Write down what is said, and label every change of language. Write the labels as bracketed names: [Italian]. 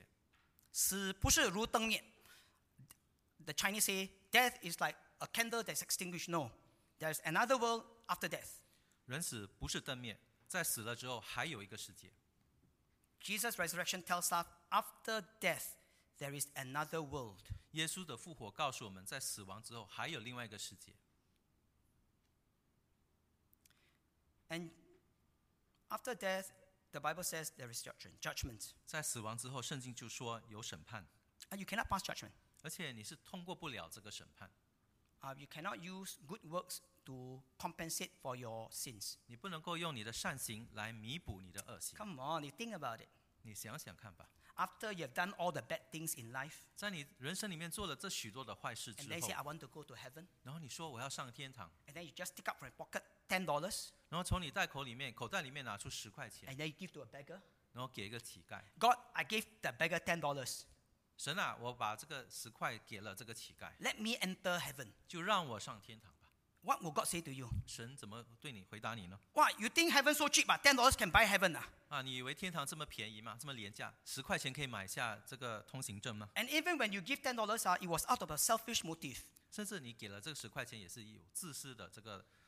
[Chinese] 首先他告诉我们死后还有另外一个世界。死不是如灯灭。 [English] The Chinese say death is like a candle that's extinguished. No, there's another world after death. [Chinese] 人死不是灯灭，在死了之后还有一个世界。 [English] Jesus' resurrection tells us after death there is another world. [Chinese] 耶稣的复活告诉我们在死亡之后还有另外一个世界。 [English] And after death, the Bible says there is judgment. [Chinese] 在死亡之后, 圣经就说有审判。 [English] And you cannot pass judgment. [Chinese] 而且你是通过不了这个审判。 [English] You cannot use good works to compensate for your sins. [Chinese] 你不能够用你的善行来弥补你的恶行。 [English] Come on, you think about it. [Chinese] 你想想看吧。 [English] After you've done all the bad things in life, [Chinese] 在你人生里面做了这许多的坏事之后, [English] and then say, I want to go to heaven. [Chinese] 然后你说我要上天堂。 [English] And then you just take up from your pocket $10. [Chinese] 然后从你袋口里面拿出10块钱, [English] and then you give to a beggar. [Chinese] 然后给一个乞丐, [English] God, I give the beggar $10. [Chinese] 神啊, 我把这个10块给了这个乞丐, [English] let me enter heaven. [Chinese] 就让我上天堂吧。 [English] What will God say to you? [Chinese] 神怎么对你回答你呢? [English] What, you think heaven so cheap? $10 can buy heaven? [Chinese] 你以为天堂这么便宜吗?这么廉价?10块钱可以买下这个通行证吗? [English] And even when you give $10, it was out of a selfish motive. [Chinese] 甚至你给了这个10块钱也是有自私的这个,